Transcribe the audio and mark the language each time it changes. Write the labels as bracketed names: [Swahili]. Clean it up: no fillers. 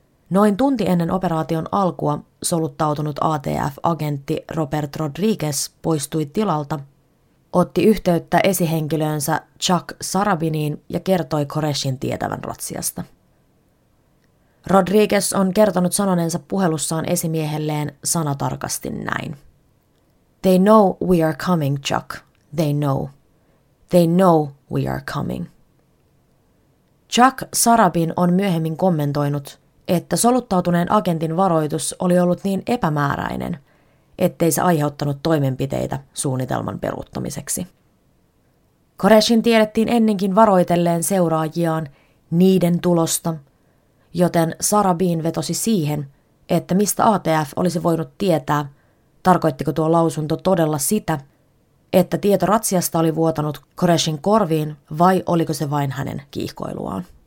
[Finnish] Noin tunti ennen operaation alkua soluttautunut ATF-agentti Robert Rodriguez poistui tilalta, otti yhteyttä esihenkilöönsä Chuck Sarabiniin ja kertoi Qureshin tietävän ratsiasta. Rodriguez on kertonut sanoneensa puhelussaan esimiehelleen sanatarkasti näin. [English] They know we are coming, Chuck. They know. They know we are coming. [Finnish] Chuck Sarabin on myöhemmin kommentoinut, että soluttautuneen agentin varoitus oli ollut niin epämääräinen, ettei se aiheuttanut toimenpiteitä suunnitelman peruuttamiseksi. Qureshin tiedettiin ennenkin varoitelleen seuraajiaan niiden tulosta, joten Sarabin vetosi siihen, että mistä ATF olisi voinut tietää, tarkoittiko tuo lausunto todella sitä, että tieto ratsiasta oli vuotanut Qureshin korviin vai oliko se vain hänen kiihkoiluaan.